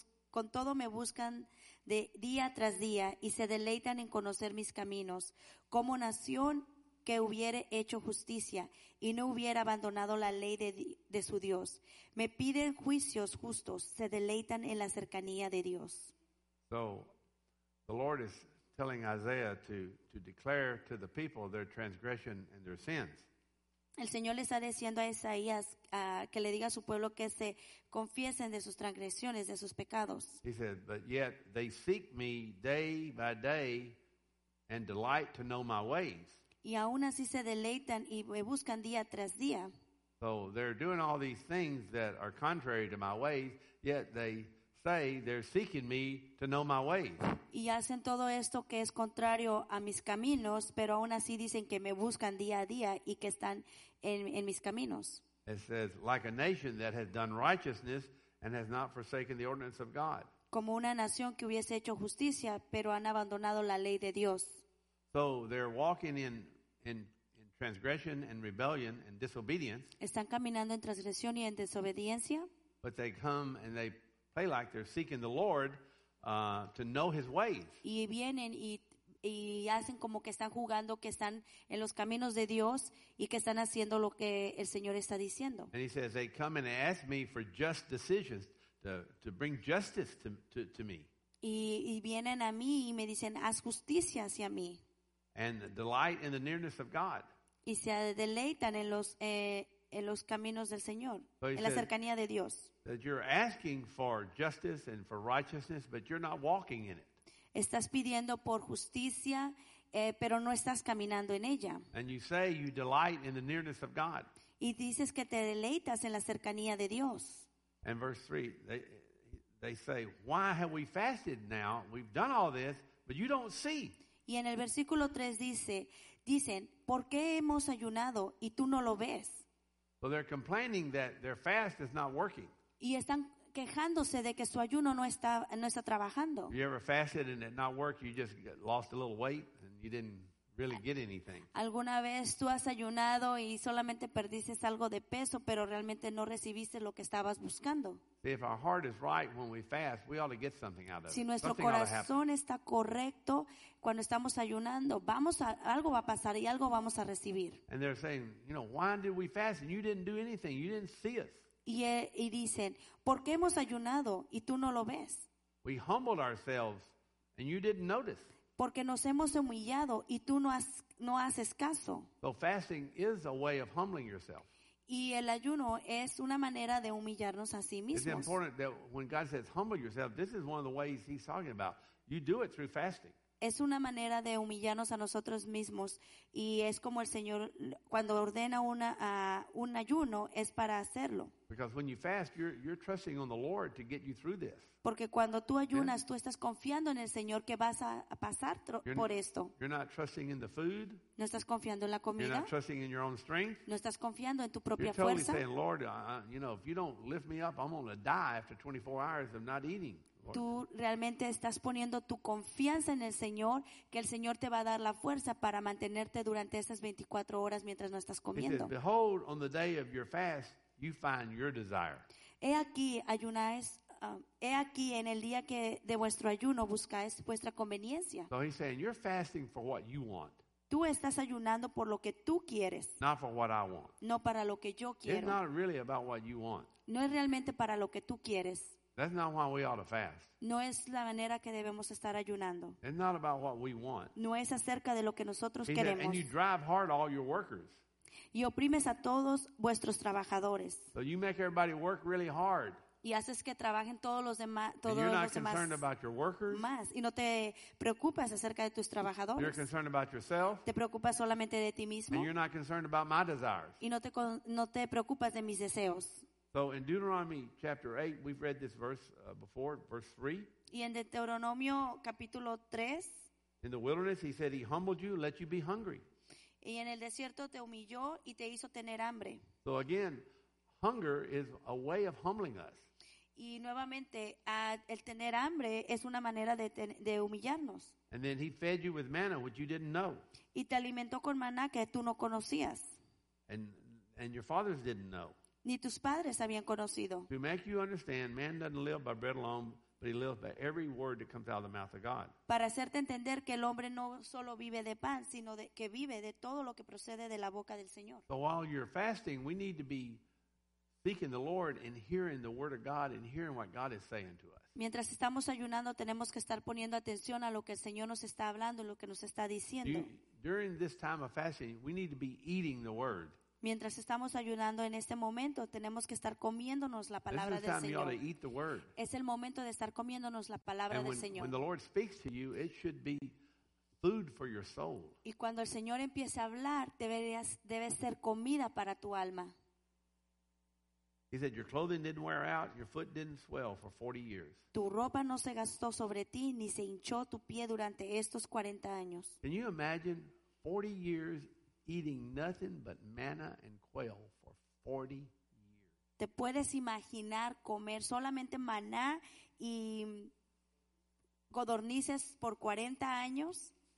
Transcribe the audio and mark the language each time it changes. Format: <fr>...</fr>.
<es>Con todo me buscan de día tras día y se deleitan en conocer mis caminos. Como nación que hubiere hecho justicia y no hubiera abandonado la ley de su Dios. Me piden juicios justos, se deleitan en la cercanía de Dios.</es> <en>So, the Lord is telling Isaiah to declare to the people their transgression and their sins.</en> <es>El Señor le está diciendo a Isaías que le diga a su pueblo que se confiesen de sus transgresiones, de sus pecados.</es> <en>He said, but yet they seek me day by day and delight to know my ways.</en> <es>Y aún así se deleitan y me buscan día tras día.</es> <en>So they're doing all these things that are contrary to my ways, yet they say they're seeking me to know my ways.</en> <es>Y hacen todo esto que es contrario a mis caminos, pero aún así dicen que me buscan día a día y que están en mis caminos.</es> <en>It says, like a nation that has done righteousness and has not forsaken the ordinance of God.</en> <es>Como una nación que hubiese hecho justicia, pero han abandonado la ley de Dios.</es> <en>So they're walking in transgression and rebellion and disobedience.</en> <es>Están caminando en transgresión y en desobediencia.</es> <en>But they come and they play like they're seeking the Lord to know his ways.</en> <es>Y vienen y hacen como que están jugando, que están en los caminos de Dios y que están haciendo lo que el Señor está diciendo.</es> <en>And he says, they come and ask me for just decisions to bring justice to me.</en> <es>Y vienen a mí y me dicen, haz justicia hacia mí.</es> <en>And delight in the nearness of God.</en> <es>Y se deleitan en los caminos del Señor,</es> <en>so</en> <es>en la cercanía de Dios.</es> <en>That you're asking for justice and for righteousness, but you're not walking in it.</en> <es>Estás pidiendo por justicia, pero no estás caminando en ella.</es> <en>And you say you delight in the nearness of God.</en> <es>Y dices que te deleitas en la cercanía de Dios.</es> <en>And verse 3, they say, why have we fasted now? We've done all this, but you don't see.</en> <es>Y en el versículo 3 dicen, ¿por qué hemos ayunado y tú no lo ves?</es> <en>So they're complaining that their fast is not working.</en> <es>Y están quejándose de que su ayuno no está trabajando.</es> <en>You ever fasted and it not work, you just lost a little weight and you didn't really get anything.</en> <es>¿Alguna vez tú has ayunado y solamente perdiste algo de peso, pero realmente no recibiste lo que estabas buscando?</es> <en>If our heart is right when we fast, we ought to get something out of it.</en> <es>Si nuestro corazón está correcto cuando estamos ayunando, algo va a pasar y algo vamos a recibir.</es> <en>And they're saying, you know, why did we fast and you didn't do anything? You didn't see us.</en> <es>Y dicen, ¿por qué hemos ayunado y tú no lo ves?</es> <en>We humbled ourselves and you didn't notice.</en> <es>Porque nos hemos humillado y tú no haces caso.</es> <en>So fasting is a way of humbling yourself.</en> <es>Y el ayuno es una manera de humillarnos a sí mismos.</es> <en>It's important that when God says humble yourself, this is one of the ways he's talking about. You do it through fasting.</en> <es>es una manera de humillarnos a nosotros mismos, y es como el Señor cuando ordena un ayuno es para hacerlo.</es> <en>Because when you fast, you're trusting on the Lord to get you through this.</en> <es>Porque cuando tú ayunas, tú estás confiando en el Señor que vas a pasar por esto.</es> <en>You're not trusting in the food.</en> <es>No estás confiando en la comida.</es> <en>You're not trusting in your own strength.</en> <es>No estás confiando en tu propia fuerza.</es> <en>You're totally saying, Lord, if you don't lift me up, I'm going to die after 24 hours of not eating.</en> <es>Tú realmente estás poniendo tu confianza en el Señor, que el Señor te va a dar la fuerza para mantenerte durante esas 24 horas mientras no estás comiendo.</es> <en>He says, behold, on the day of your fast, you find your desire.</en> <es>He aquí, ayunáis. He aquí, en el día que de vuestro ayuno buscáis vuestra conveniencia.</es> <en>So he's saying, you're fasting for what you want.</en> <es>Tú estás ayunando por lo que tú quieres.</es> <en>Not for what I want.</en> <es>No para lo que yo quiero.</es> <en>It's not really about what you want.</en> <es>No es realmente para lo que tú quieres.</es> <en>That's not why we ought to fast.</en> <es>No es la manera que debemos estar ayunando.</es> <en>It's not about what we want.</en> <es>No es acerca de lo que nosotros</es> <en>he</en> <es>queremos.</es> <en>Said, and you drive hard all your workers.</en> <es>Y oprimes a todos vuestros trabajadores.</es> <en>So you make everybody work really hard.</en> <es>Y haces que trabajen todos los demás más, y no te preocupas acerca de tus trabajadores.</es> <en>You're concerned about yourself.</en> <es>Te preocupas solamente de ti mismo.</es> <en>And you're not concerned about my desires.</en> <es>Y no te preocupas de mis deseos.</es> <en>So in Deuteronomy chapter 8, we've read this verse before, verse 3.</en> <es>Y en Deuteronomio capítulo 3.</es> <en>In the wilderness, he said, he humbled you, let you be hungry.</en> <es>Y en el desierto te humilló y te hizo tener hambre.</es> <en>So again, hunger is a way of humbling us.</en> <es>Y nuevamente, el tener hambre es una manera de humillarnos.</es> <en>And then he fed you with manna, which you didn't know.</en> <es>Y te alimentó con maná que tú no conocías.</es> <en>And your fathers didn't know.</en> <es>Ni tus padres habían conocido.</es> <en>To make you understand, man doesn't live by bread alone, but he lives by every word that comes out of the mouth of God.</en> <es>Para hacerte entender que el hombre no solo vive de pan, sino que vive de todo lo que procede de la boca del Señor.</es> <en>So while you're fasting, we need to be seeking the Lord and hearing the word of God and hearing what God is saying to us.</en> <es>Mientras estamos ayunando, tenemos que estar poniendo atención a lo que el Señor nos está hablando, lo que nos está diciendo.</es> <en>During this time of fasting, we need to be eating the word.</en> <es>Mientras estamos ayunando en este momento, tenemos que estar comiéndonos la palabra del Señor.</es> <en>You ought to eat the word.</en> <es>Es el momento de estar comiéndonos la palabra</es> <en>and</en> <es>del Señor.</es> <en>When the Lord speaks to you, it should be food for your soul.</en> <es>Y cuando el Señor empiece a hablar, debe ser comida para tu alma.</es> <en>He said, your clothing didn't wear out, your foot didn't swell for 40 years.</en> <es>Tu ropa no se gastó sobre ti, ni se hinchó tu pie durante estos 40 años.</es> <en>Can you imagine 40 years eating nothing but manna and quail for 40 years?</en> <es>¿Te puedes imaginar comer solamente maná y codornices por 40 años?</es>